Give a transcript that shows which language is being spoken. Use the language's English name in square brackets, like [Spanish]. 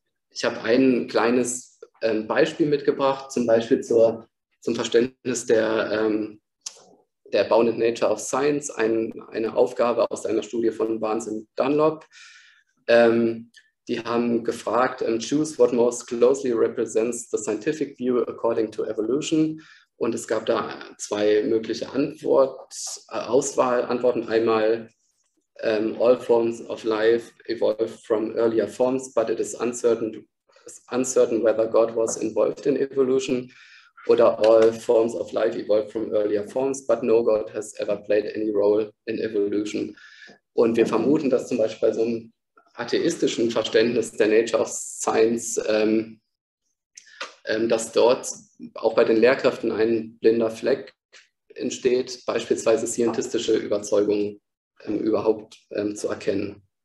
[German] Ich habe ein kleines Beispiel mitgebracht, zum Beispiel zum Verständnis der Bounded Nature of Science, eine Aufgabe aus einer Studie von Barnes und Dunlop. Die haben gefragt, [English] choose what most closely represents the scientific view according to evolution. [German] Und es gab da zwei mögliche Auswahlantworten. [English] Einmal, all forms of life evolved from earlier forms, but it is uncertain whether God was involved in evolution. Oder all forms of life evolved from earlier forms, but no God has ever played any role in evolution. [German] Und wir vermuten, dass zum Beispiel bei so einem atheistischen Verständnis der Nature of Science, dass dort auch bei den Lehrkräften ein blinder Fleck entsteht, beispielsweise scientistische Überzeugungen überhaupt zu erkennen.